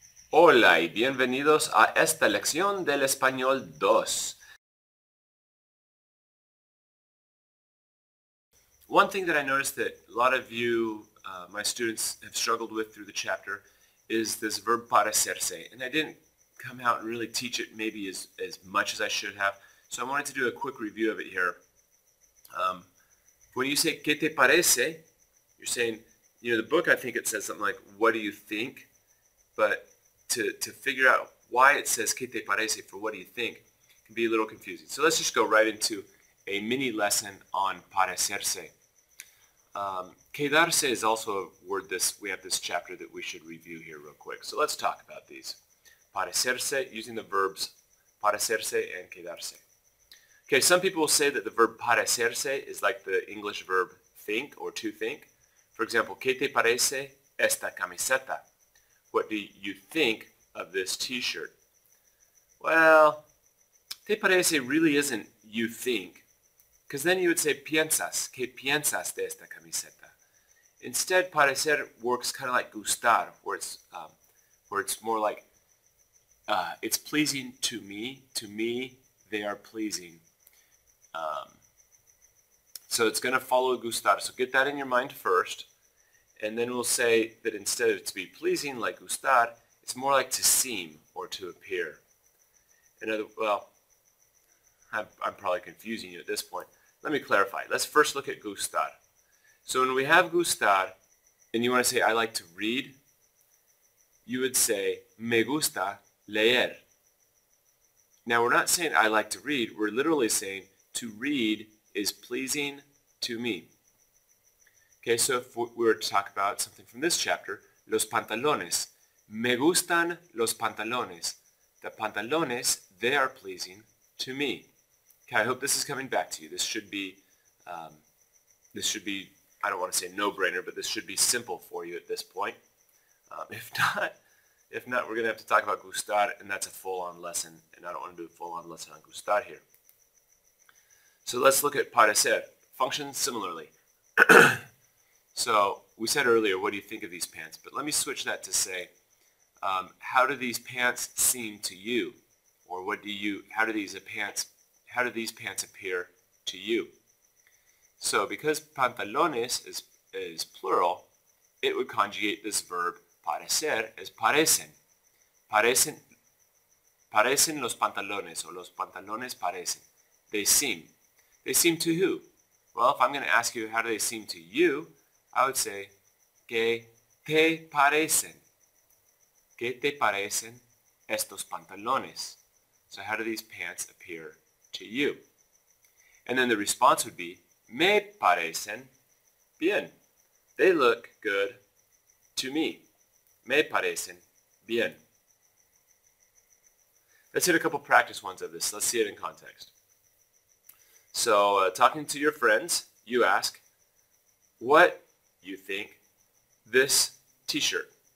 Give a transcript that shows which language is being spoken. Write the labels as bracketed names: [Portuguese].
[Spanish] Hola y bienvenidos a esta lección del español 2. [English] One thing that I noticed that a lot of you, my students, have struggled with through the chapter is this verb parecerse. And I didn't come out and really teach it maybe as much as I should have. So I wanted to do a quick review of it here. When you say, [Spanish] ¿qué te parece? [English] You're saying, the book, I think it says something like, what do you think? But to figure out why it says, [Spanish] ¿qué te parece? [English] For what do you think? Can be a little confusing. So let's just go right into a mini lesson on parecerse. Quedarse is also a word we have this chapter that we should review here real quick. So let's talk about these. Parecerse, using the verbs parecerse and quedarse. Okay, some people will say that the verb parecerse is like the English verb think or to think. For example, [Spanish] ¿qué te parece esta camiseta? [English] What do you think of this t-shirt? Well, [Spanish] ¿te parece [English] really isn't you think? Because then you would say [Spanish] piensas, ¿qué piensas de esta camiseta? [English] Instead, parecer works kind of like gustar, where it's more like it's pleasing to me. To me, they are pleasing. So it's going to follow gustar. So get that in your mind first. And then we'll say that instead of to be pleasing, like gustar, it's more like to seem or to appear. Well, I'm probably confusing you at this point. Let me clarify. Let's first look at gustar. So when we have gustar, and you want to say, I like to read, you would say, [Spanish] me gusta leer. [English] Now, we're not saying, I like to read. We're literally saying, to read is pleasing to me. Okay, so if we were to talk about something from this chapter, los pantalones. [Spanish] Me gustan los pantalones. [English] The pantalones, they are pleasing to me. Okay, I hope this is coming back to you. This should be, I don't want to say no-brainer, but this should be simple for you at this point. If not, we're going to have to talk about gustar, and that's a full-on lesson, and I don't want to do a full-on lesson on gustar here. So let's look at parecer. Functions similarly. So we said earlier, what do you think of these pants? But let me switch that to say, how do these pants seem to you? Or what do you, how do these pants, how do these pants appear to you? So because pantalones is plural, it would conjugate this verb parecer as parecen. [Spanish] Parecen los pantalones, [English] or [Spanish] los pantalones parecen. [English] They seem. They seem to who? Well, if I'm going to ask you how do they seem to you, I would say, [Spanish] ¿qué te parecen? ¿Qué te parecen estos pantalones? [English] So how do these pants appear to you? And then the response would be, [Spanish] me parecen bien. [English] They look good to me. [Spanish] Me parecen bien. [English] Let's hit a couple practice ones of this. Let's see it in context. So, talking to your friends, you ask, what you think this t-shirt?